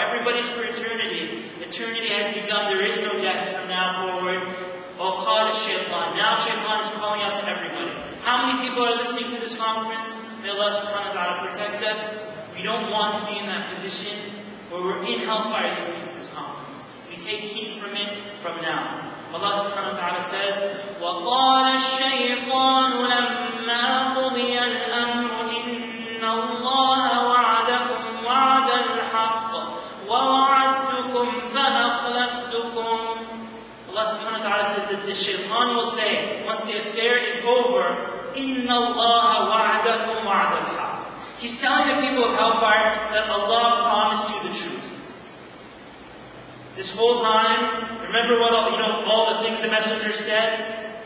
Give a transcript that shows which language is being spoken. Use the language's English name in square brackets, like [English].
[English] Everybody's for eternity. Eternity has begun. There is no death from now forward. [Arabic] وَقَالَ الشَّيْطَانِ. [English] Now Shaytan is calling out to everybody. How many people are listening to this conference? May Allah subhanahu wa ta'ala protect us. We don't want to be in that position where we're in Hellfire listening to this conference. We take heed from it from now. Allah subhanahu wa ta'ala says, [Arabic] وَقَالَ الشَّيْطَانُ لَمَّا قُضِيَ الْأَمْرُ إِنَّ اللَّهَ وَعَدَكُمْ وَعَدَ الْحَقِّ وَوَعَدْتُكُمْ فَأَخْلَفْتُكُمْ. [English] Allah subhanahu wa ta'ala says that the shaytan will say, once the affair is over, [Arabic] إِنَّ اللَّهَ وَعَدَكُمْ وَعَدَ الْحَقِّ. [English] He's telling the people of Hellfire that Allah promised you the truth. This whole time, remember what all, you know, all the things the messengers said?